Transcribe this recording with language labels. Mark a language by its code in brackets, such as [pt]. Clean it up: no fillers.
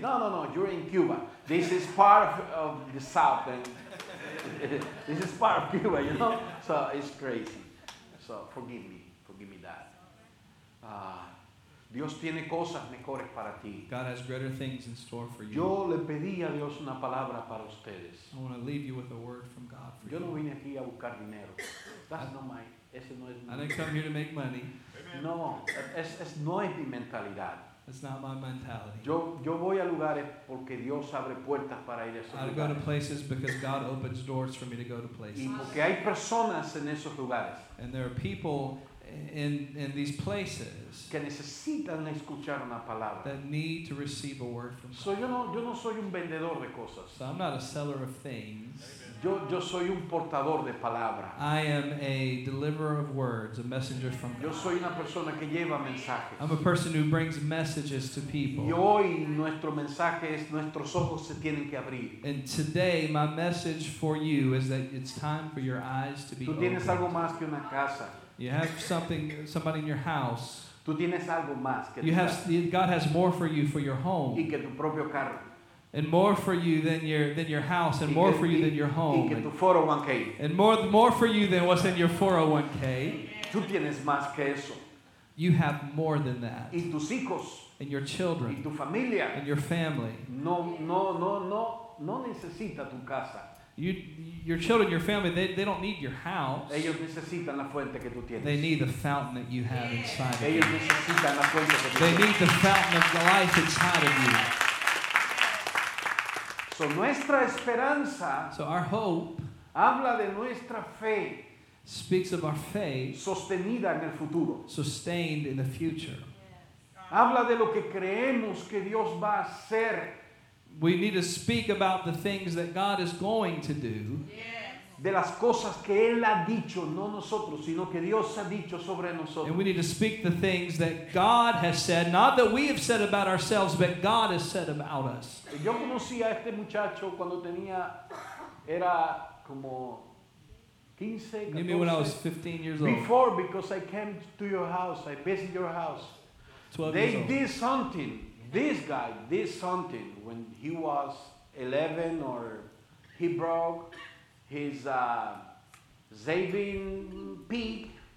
[en] No, you're in Cuba. This is part of the South. And this is part of Cuba, you know? So it's crazy. So forgive me that. [es] Dios tiene cosas mejores para ti. [en] God has greater things in store for you. [es] Yo le pedí a Dios una palabra para ustedes. [en] I want to leave you with a word from God for [es] yo [en] you. [es] Yo no vine aquí a buscar dinero. [en] That's not my. [es] Ese no es mi. [en] I didn't come here to make money. [es] No, es no es mi mentalidad. [en] It's not my mentality. [es] Yo voy a lugares porque Dios abre puertas para ir a esos lugares. [en] I go to places because God opens doors for me to go to places. [es] Y porque hay personas en esos lugares. [en] And there are people in these places [es] que necesitan escuchar una palabra. [en] That need to receive a word from so God. [es] Yo no soy un vendedor de cosas. [en] So I'm not a seller of things. [es] Yo soy un portador de palabra. [en] I am a deliverer of words, a messenger from God. [es] Yo soy una persona que lleva mensajes. [en] I'm a person who brings messages to people. [es] Y hoy nuestro mensaje es nuestros ojos se tienen que abrir. [en] And today my message for you is that it's time for your eyes to be opened. [es] Tú tienes [en] opened. [es] Algo más que una casa. [en] You have something, somebody in your house. [es] Tú tienes algo más que [en] you have, God has more for you for your home. [es] Y que tu propio carro. [en] And more for you than your house, and more for you than your home, [es] y que tu 401k. [en] And more for you than what's in your 401k. [es] Tú tienes más que eso. [en] You have more than that. [es] Y tus hijos. [en] And your children. [es] Y tu familia. [en] And your family. [es] No necesita tu casa. [en] Your children, your family, they don't need your house. [es] Ellos necesitan la fuente que tú tienes. [en] They need the fountain that you have inside [es] ellos [en] of you. [es] Necesitan la fuente que tú tienes. [en] They need the fountain of life inside of you. [es] So nuestra esperanza, [en] so our hope, [es] habla de nuestra fe, [en] speaks of our faith, [es] sostenida en el futuro, [en] sustained in the future. [es] Habla de lo que creemos que Dios va a hacer. [en] We need to speak about the things that God is going to do. [es] De las cosas que Él ha dicho, no nosotros, sino que Dios ha dicho sobre nosotros. [en] And we need to speak the things that God has said, not that we have said about ourselves, but God has said about us. [es] Yo conocí a este muchacho cuando tenía, era como 15, 14. [en] You mean when I was 15 years old? Before, because I came to your house, I visited your house. 12 they years old. Did something. This guy did something when he was 11 or he broke his saving peak.